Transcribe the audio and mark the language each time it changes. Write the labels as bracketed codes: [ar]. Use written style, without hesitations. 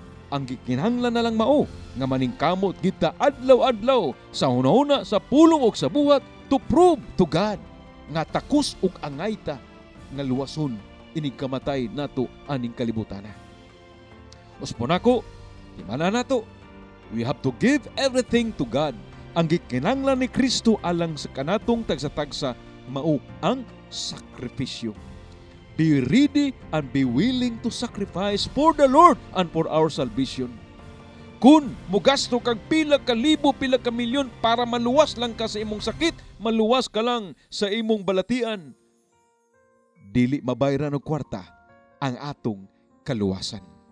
[ceb] Ang gikinhanglan na lang mao nga maningkamot kita adlaw-adlaw sa huna-huna, sa pulong ug sa buhat [en] to prove to God [ceb] nga takus ug angay ta nga luwason ining kamatay nato aning kalibutan. Usbon ako, timana nato. [en] We have to give everything to God. [ceb] Ang gikinanglan ni Kristo alang sa kanatong tagsa-tagsa mao ang sakripisyo. [en] Be ready and be willing to sacrifice for the Lord and for our salvation. [ceb] Kun mugasto kag pila ka libo, pila ka milyon para maluwas lang ka sa imong sakit, maluwas ka lang sa imong balatian, dili mabayran og kwarta ang atong kaluwasan.